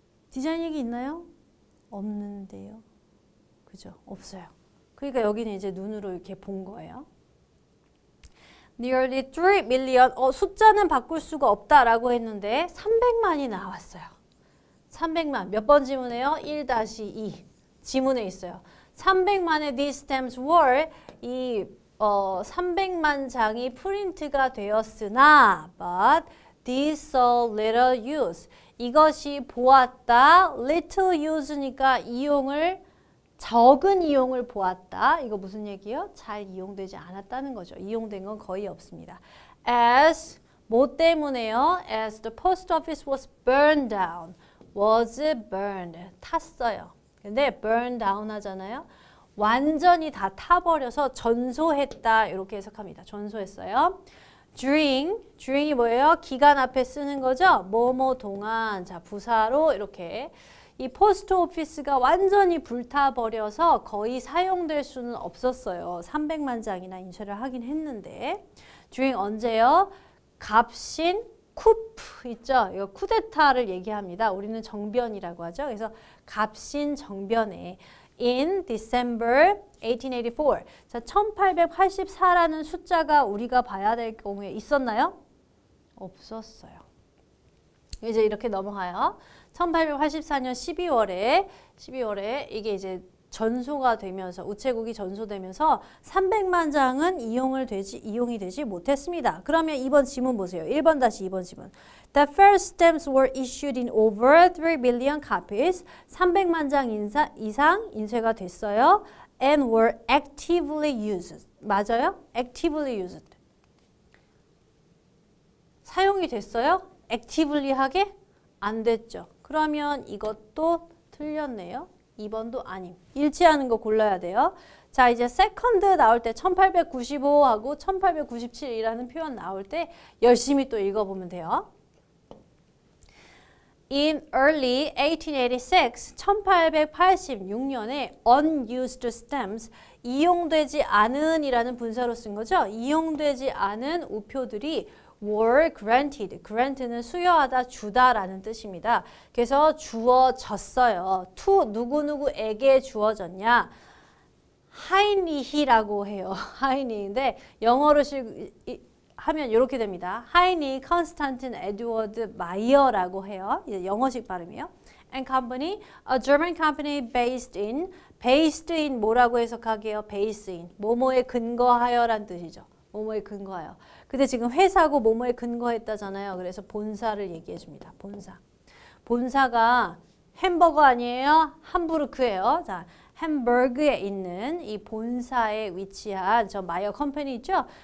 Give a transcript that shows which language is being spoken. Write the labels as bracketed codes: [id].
[ko] 디자인 얘기 있나요? 없는데요. 그죠? 없어요. 그러니까 여기는 이제 눈으로 이렇게 본 거예요. [en] Nearly 3 million. [ko] 숫자는 바꿀 수가 없다라고 했는데 300만이 나왔어요. 300만. 몇 번 지문에요? 1-2. 지문에 있어요. 300만의 [en] these stamps were [ko] 이 300만 장이 프린트가 되었으나 [en] but this saw little use. [ko] 이것이 보았다. little use니까 이용을 적은 이용을 보았다. 이거 무슨 얘기예요? 잘 이용되지 않았다는 거죠. 이용된 건 거의 없습니다. as 뭐 때문에요? [en] as the post office was burned down. was burned. [ko] 탔어요. 근데 burned down 하잖아요. 완전히 다 타버려서 전소했다. 이렇게 해석합니다. 전소했어요. during, during이 뭐예요? 기간 앞에 쓰는 거죠? 뭐뭐 동안, 자, 부사로 이렇게 이 포스트 오피스가 완전히 불타버려서 거의 사용될 수는 없었어요. 300만 장이나 인쇄를 하긴 했는데 during 언제요? 갑신, 쿠프 있죠? 이거 쿠데타를 얘기합니다. 우리는 정변이라고 하죠. 그래서 갑신 정변에 [en] In December 1884. [ko] 자, 1884라는 숫자가 우리가 봐야 될 경우에 있었나요? 없었어요. 이제 이렇게 넘어가요. 1884년 12월에 이게 이제 전소가 되면서 우체국이 전소되면서 300만 장은 이용이 되지 못했습니다. 그러면 2번 지문 보세요. 1번 다시 2번 지문. [en] The first stamps were issued in over 3 billion copies. [ko] 300만 장 이상 인쇄가 됐어요. [en] And were actively used. [ko] 맞아요? [en] Actively used. [ko] 사용이 됐어요? Actively 하게? 안 됐죠. 그러면 이것도 틀렸네요. 2번도 아님. 일치하는 거 골라야 돼요. 자, 이제 second 나올 때 1895하고 1897이라는 표현 나올 때 열심히 또 읽어보면 돼요. [en] In early 1886, [ko] 1886년에 unused stamps, 이용되지 않은 이라는 분사로 쓴 거죠. 이용되지 않은 우표들이 [en] were granted. [ko] grant는 수여하다, 주다라는 뜻입니다. 그래서 주어졌어요. to 누구누구에게 주어졌냐? Heinrich라고 해요. Heinrich인데 영어로 하면 이렇게 됩니다. Heinrich Constantin Edward Meyer라고 해요. 이제 영어식 발음이에요. [en] And company, a German company based in [ko] 뭐라고 해석하게요? based in 뭐뭐에 근거하여란 뜻이죠. 뭐뭐에 근거하여. 근데 지금 회사고 뭐뭐에 근거했다잖아요. 그래서 본사를 얘기해 줍니다. 본사. 본사가 햄버거 아니에요? 함부르크예요. 자, 햄버그에 있는 이 본사에 위치한 저 마이어 컴퍼니 있죠?